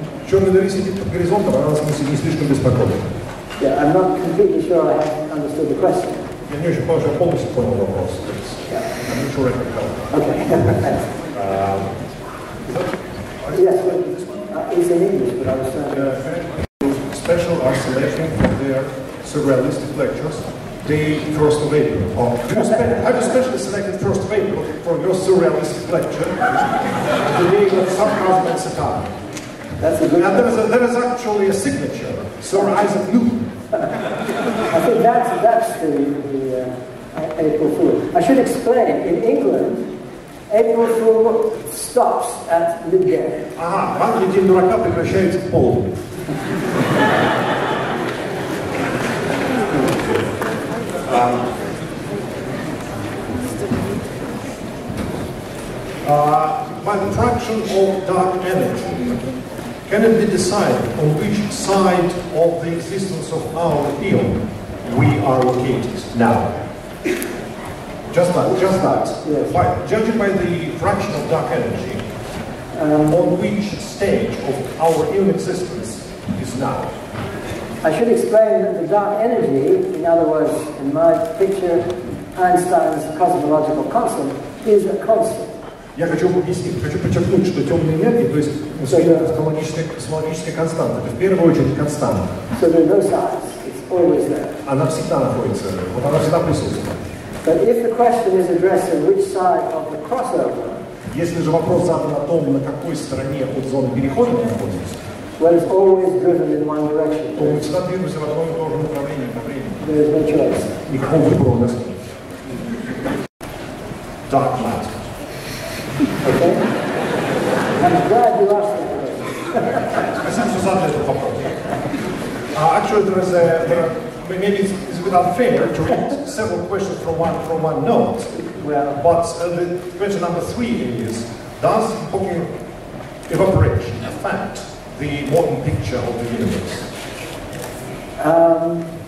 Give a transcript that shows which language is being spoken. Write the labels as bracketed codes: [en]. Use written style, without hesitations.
[ru] Черная дыра сидит под горизонтом, она нас не слишком беспокоит. [en] Yeah, I'm not completely sure I understood the question. [ru] Я не очень понял, что я полностью понял вопрос. [en] I'm not sure I can help. Okay. Yes, it's in English, but I was trying to... Special isolation for their surrealistic lectures, the first of April. I just specially selected first of April for your surrealistic lecture, the day that somehow makes a time. That's a good one. And there is actually a signature, Sir Isaac Newton. I think that's the April Fool. I should explain, in England, April Fool stops at midday. [ru] Ага, в Англии день дурака прекращается полдень. [en] By the fraction of dark energy, can it be decided on which side of the existence of our eon we are located now? Just that. Yes. Judging by the fraction of dark energy, on which stage of our eon existence is now? I should explain that the dark energy, in other words, in my picture, Einstein's cosmological constant, is a constant. [ru] Я хочу объяснить, хочу подчеркнуть, что темная энергия, то есть космологическая константа, это в первую очередь константа. [en] So there are no sides. It's always there. [ru] Она всегда находится, вот она всегда присутствует. [en] But if the question is addressed on which side of the crossover, [ru] если же вопрос задан о том, на какой стороне от зоны перехода мы находимся, [en] well, it's always driven in one direction. [ru] То мы всегда движемся в одном и том же направлении. [en] There is no choice. [ru] Никакого выбора у нас нет. [en] Dark matter. Okay. I'm glad you asked that question. [ru] Спасибо, что задали этот вопрос. [en] Actually, there is maybe it's without fear to read several questions from one note. Well, but the question number three is, does Hawking evaporation affect the modern picture of the universe?